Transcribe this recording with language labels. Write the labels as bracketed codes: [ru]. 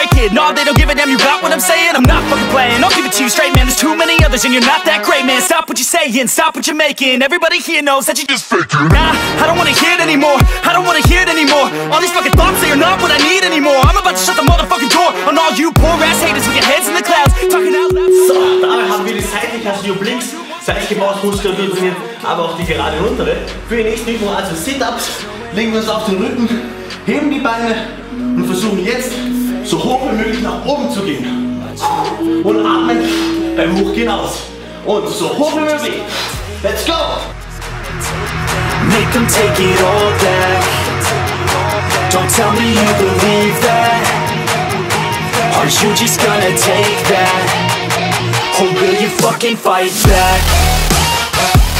[en] No, they don't give a damn, you got what I'm saying? I'm not fucking playing, I'll give it to you straight, man. There's too many others and you're not that great, man. Stop what you're saying, stop what you're making. Everybody here knows that you're just faking. Nah, I don't wanna hear it anymore. I don't wanna hear it anymore. All these fucking thoughts, they are not what I need anymore. I'm about to shut the motherfucking door on all you poor ass haters with your heads in the clouds, talking out loud. [de] So, dabei haben wir die seitlich, also die Obliques, seitliche Bauchmuskulatur trainiert, aber auch die gerade untere. Für die nächste Übung, also Sit-Ups, legen wir uns auf den Rücken, heben die Beine und versuchen jetzt, so hoch wie möglich nach oben zu gehen. Und atmen beim Hochgehen aus. Und so hoch wie möglich. [en] Let's go! Make them take it all back. Don't tell me you believe that. Are you just gonna take that? Or will you fucking fight back?